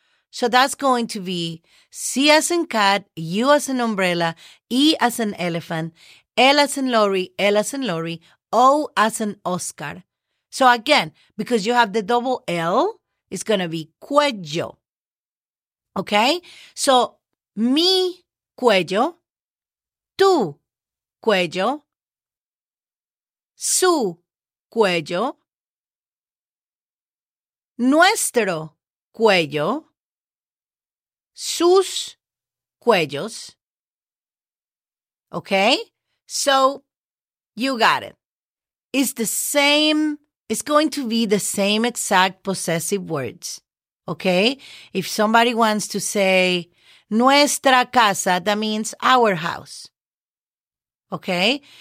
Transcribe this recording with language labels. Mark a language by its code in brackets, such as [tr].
[en] So that's going to be C as in cat, U as in umbrella, E as in elephant, L as in lorry, L as in lorry, O as in Oscar. So again, because you have the double L, it's going to be cuello. Okay? [es] So mi cuello, tu cuello, su cuello, nuestro cuello, sus cuellos. [en] Okay? So you got it. It's the same, it's going to be the same exact possessive words. Okay? If somebody wants to say [es] nuestra casa, [en] that means our house. Okay?